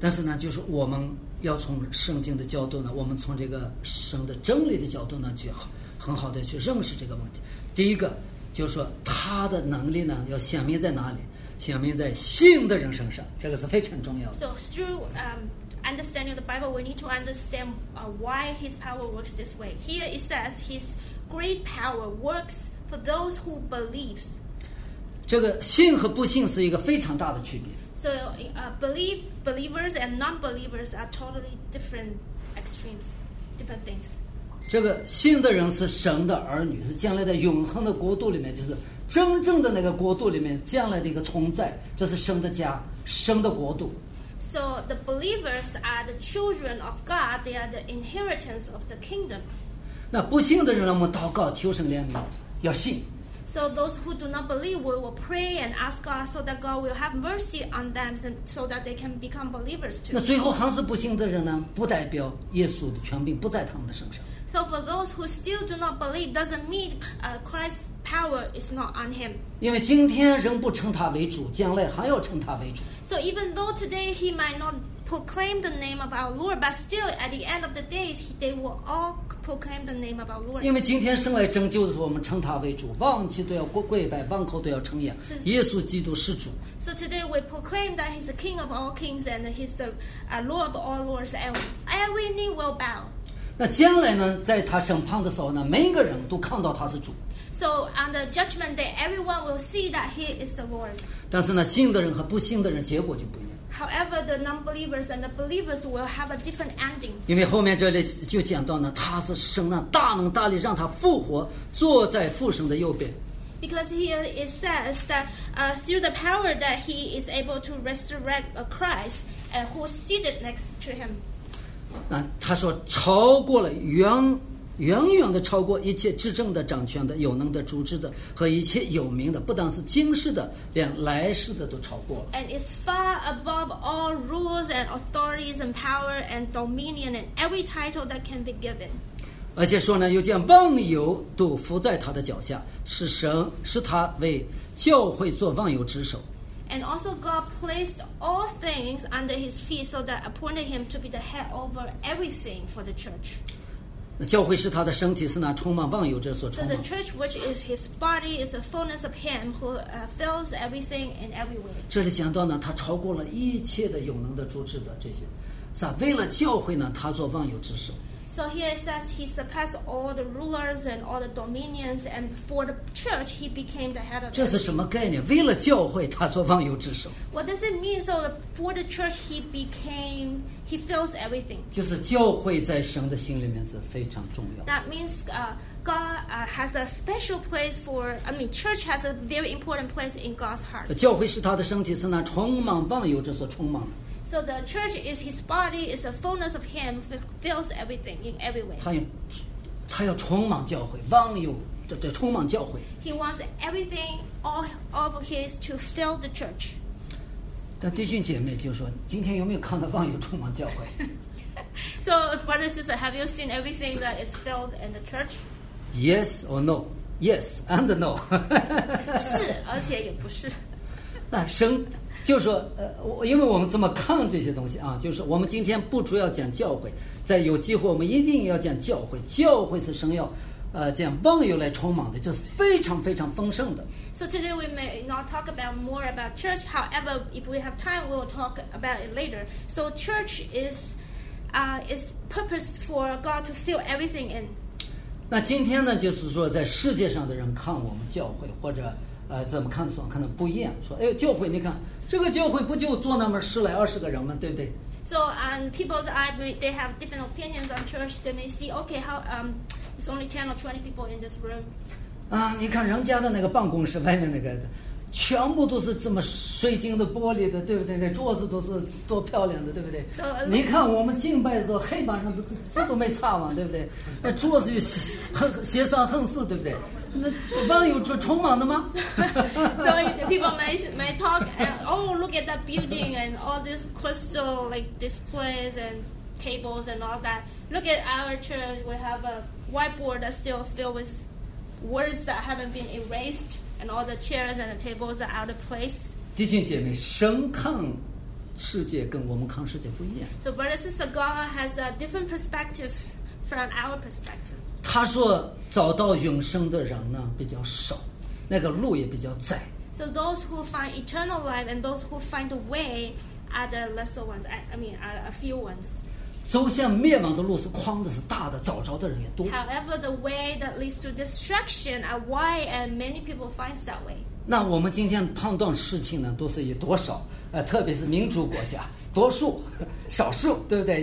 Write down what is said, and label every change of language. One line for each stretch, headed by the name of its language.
Chinese: 但是呢，就是我们要从圣经的角度呢，我们从这个神的真理的角度呢，去很好的去认识这个问题。第一个就是说，他的能力呢要显明在哪里？显明在信的人身上，这个是非常重要的。
English: So through understanding the Bible, we need to understand why his power works this way. Here it says his great power works for those who believe.
Chinese: 这个信和不信是一个非常大的区别。
English: So, believers and non-believers are totally different extremes, different things.
Chinese: 这个信的人是神的儿女，是将来的永恒的国度里面，就是真正的那个国度里面将来的一个存在，这是神的家，神的国度。
English: So the believers are the children of God. They are the inheritance of the kingdom.
Chinese: 那不信的人呢？我们祷告求神怜悯，要信。
English: So those who do not believe, we will pray and ask God so that God will have mercy on them, and so that they can become believers too.
Chinese: 那最后还是不信的人呢？不代表耶稣的权柄不在他们的身上。
English: So for those who still do not believe, doesn't mean Christ's power is not on him.
Chinese: 因为今天人不称他为主，将来还要称他为主。
English: So even though today he might not proclaim the name of our Lord, but still at the end of the days they will all proclaim the name of our Lord.
Chinese: 因为今天生来拯救的是我们称他为主，忘记都要跪拜，忘口都要称扬，耶稣基督是主。
English: So today we proclaim that he's the King of all kings and he's the Lord of all lords, and every knee will bow.
Chinese: 那将来呢，在他审判的时候呢，每一个人都看到他是主。
English: So on the judgment day, everyone will see that he is the Lord.
Chinese: 但是呢，信的人和不信的人结果就不一样。
English: However, the non-believers and the believers will have a different ending.
Chinese: 因为后面这里就讲到呢，他是神的大能大力，让他复活，坐在父神的右边。
English: Because here it says that through the power that he is able to resurrect a Christ, who is seated next to him.
Chinese: 那他说超过了远远远的超过一切执政的掌权的有能的主治的和一切有名的不但是今世的连来世的都超过了
English: and is far above all rules and authorities and power and dominion and every title that can be given
Chinese: 而且说呢又见万有都伏在他的脚下是神是他为教会做万有之首
English: And also God placed all things under his feet so that appointed him to be the head over everything for the church.
Chinese: 那教会是他的身体是那充满万有之所充满。
English: So the church which is his body is the fullness of him who fills everything in every way.
Chinese: 这里讲到呢他超过了一切的有能的主治的这些。是为了教会呢他做万有之首。
English: So here it says he surpassed all the rulers and all the dominions, and for the church he became the head of.
Chinese: 这是什么概念？为了教会，他做万有之首。
English: What does it mean? So for the church he became, he fills everything.
Chinese: 就是教会在神的心里面是非常重要。
English: That means God has a special place for. I mean, church has a very important place in God's heart.
Chinese: 教会是他的身体，是那充满万有之所充满的。
English: So the church is his body, is the fullness of him, fills everything in every way.
Chinese: 他要充满教会，万有这充满教会。
English: He wants everything, all of his, to fill the church.
Chinese: 但弟兄姐妹就说，今天有没有看到万有充满教会？
English: So, brothers and sisters, have you seen everything that is filled in the church? Yes or no? Yes and no.
Chinese: 是，而且也不是。那生。就是说因为我们这么看这些东西啊就是我们今天不主要讲教会在有机会我们一定要讲教会教会是神要讲万有来充满的就是非常非常丰盛的
English: So today we may not talk about more about church however if we have time we'll talk about it later So church is purpose for God to fill everything in
Chinese: 那今天呢就是说在世界上的人看我们教会或者怎么看的时候看到不一样说哎教会你看这个教会不就坐那么十来二十个人吗？对不对
English: ？So on people's eye, they have different opinions on church. They may see, okay, how it's only 10 or 20 people in this room.
Chinese: 啊，你看人家的那个办公室外面那个，全部都是这么水晶的玻璃的，对不对？那桌子都是多漂亮的，对不对
English: ？So
Chinese: 你看我们敬拜的时候，黑板上都没擦完，对不对？那桌子就斜三横四，对不对？那万有充满的吗
English: ？So people may talk and oh look at that building and all these crystal like displays and tables and all that. Look at our church. We have a whiteboard that's still filled with words that haven't been erased and all the chairs and the tables are out of place.
Chinese: 弟兄姐妹，神看世界跟我们看世界不一样。
English: So brothers and sisters, God has a different perspectives from our perspective.
Chinese: 他说。找到永生的人呢比较少，那个路也比较窄。
English: So those who find eternal life and those who find the way are the lesser ones. I mean, are a few ones.
Chinese: 走向灭亡的路是宽的，是大的，找着的人也多。
English: However, the way that leads to destruction are wide, and many people find that way.
Chinese: 那我们今天判断事情呢，都是以多少，特别是民主国家，多数、少数，对不对？